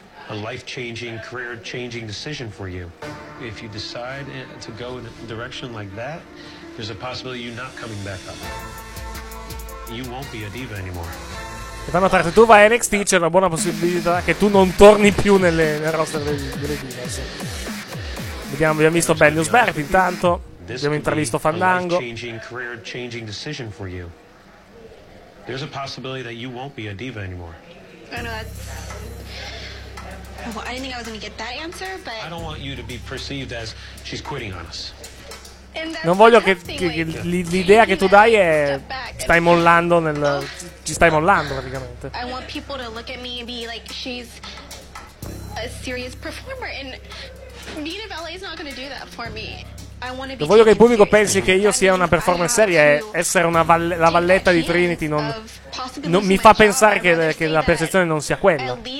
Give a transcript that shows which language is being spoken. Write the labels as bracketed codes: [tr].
[en] a life-changing, career-changing decision for you. If you decide to go in a direction like that, there's a possibility you not coming back up. You won't be a diva anymore. [it] E fanno parte, tu vai a NXT, c'è una buona possibilità che tu non torni più nel roster delle divas. Vediamo, abbiamo visto Ben Newsberg intanto, abbiamo intravisto Fandango. [en] There's a possibility that you won't be a diva anymore. I know that's... Well, I didn't think I was going to get that answer, but... I don't want you to be perceived as she's quitting on us. [it] Non voglio che l'idea che tu dai è stai mollando nel... Ci stai mollando, praticamente. [en] I want people to look at me and be like, she's a serious performer, and Nina Valle is not going to do that for me. [it] Non voglio che il pubblico pensi che io sia una performance seria e essere una la valletta di Trinity non mi fa pensare che la percezione non sia quella.